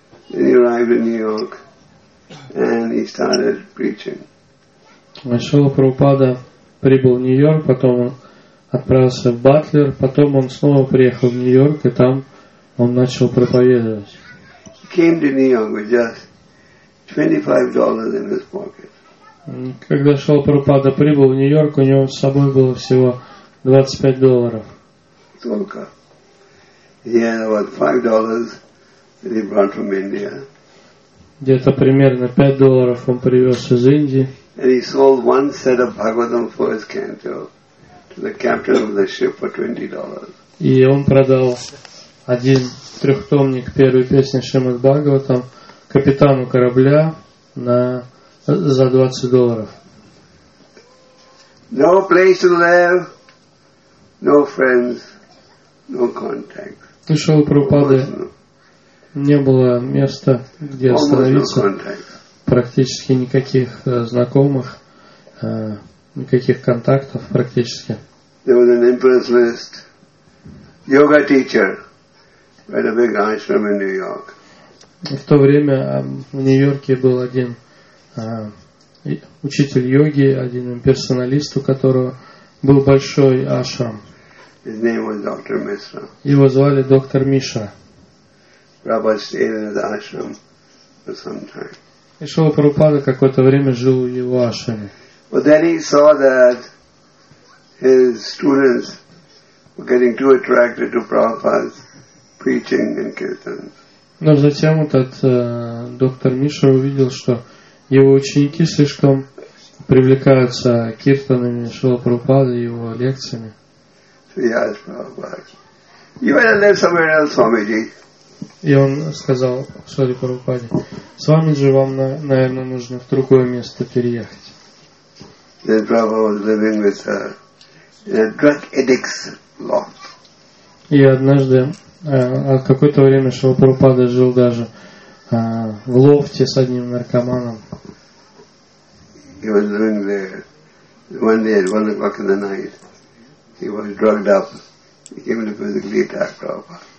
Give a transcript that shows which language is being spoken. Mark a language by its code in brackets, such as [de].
[en] Then he arrived in New York and he started preaching. [ru] Шрила Прабхупада прибыл в Нью-Йорк, потом он отправился в Батлер, потом он снова приехал в Нью-Йорк и там он начал проповедовать. [en] He came to New York with just $25 in his pocket. [ru] Когда Шрила Прабхупада прибыл в Нью-Йорк, у него с собой было всего $25. Только. [en] He had about $5 that he brought from India. [ru] Где-то примерно $5 он привез из Индии. [en] And he sold one set of Bhagavatam for his canto to the captain of the ship for $20. [ru] И он продал один трехтомник первой песни Шримад Бхагаватам капитану корабля за $20. [en] No place to live, no friends, no contacts. [ru] У Шрилы Прабхупады не было места, где остановиться. Практически никаких знакомых, никаких контактов практически. [en] There was an impress list. Yoga teacher at a big ashram in New York. [ru] В то время в Нью-Йорке был один учитель йоги, один имперсоналист, у которого был большой ашрам. [en] His name was Dr. Mishra. [ru] Его звали доктор Миша. [en] Prabhupada stayed in the ashram for some time. [ru] И Шрила Прабхупада какое-то время жил в его ашраме. [en] But then he saw that his students were getting too attracted to Prabhupada's preaching and kirtan. [ru] Но затем этот доктор Миша увидел, что его ученики слишком привлекаются киртанами Шрила Прабхупады и его лекциями. [en] So he asked Prabhupada, you better live somewhere else, Swamiji. [ru] И он сказал Шриле Прабхупаде, с вами же вам, наверное, нужно в другое место переехать. [en] That Prabhupada was living with a, in a drug addict's lot. [ru] И однажды, какое-то время Шрила Прабхупада жил даже в лофте с одним наркоманом. [en] He was living there. One day at 1 o'clock in the night, he was drugged up. He came to physically attack Prabhupada.